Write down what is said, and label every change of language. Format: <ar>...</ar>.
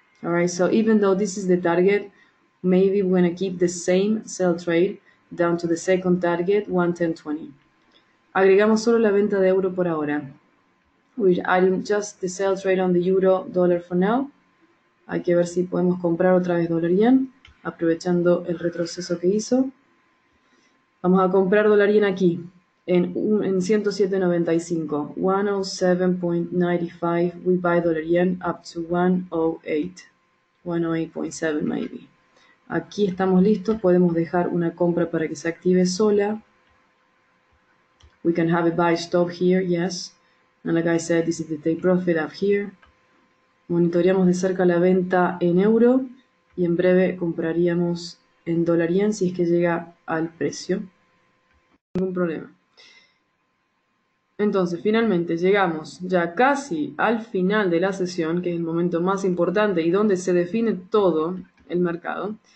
<en>Alright, so even though this is the target, maybe we're going to keep the same sell trade down to the second target, 1.1020.</en> <es>Agregamos solo la venta de euro por ahora.</es> <en>I'm just the sell trade on the euro dollar for now.</en> <es>Hay que ver si podemos comprar otra vez dólar yen, aprovechando el retroceso que hizo. Vamos a comprar dólar yen aquí, en 107.95.</es> <en>107.95, we buy dollar yen up to 108. 108.7, maybe.</en> <es>Aquí estamos listos, podemos dejar una compra para que se active sola.</es> <en>We can have a buy stop here, yes. And like I said, this is the take profit up here.</en> <es>Monitoreamos de cerca la venta en euro y en breve compraríamos en dólar yen si es que llega al precio. Ningún problema. Entonces, finalmente llegamos ya casi al final de la sesión, que es el momento más importante y donde se define todo el mercado.</es>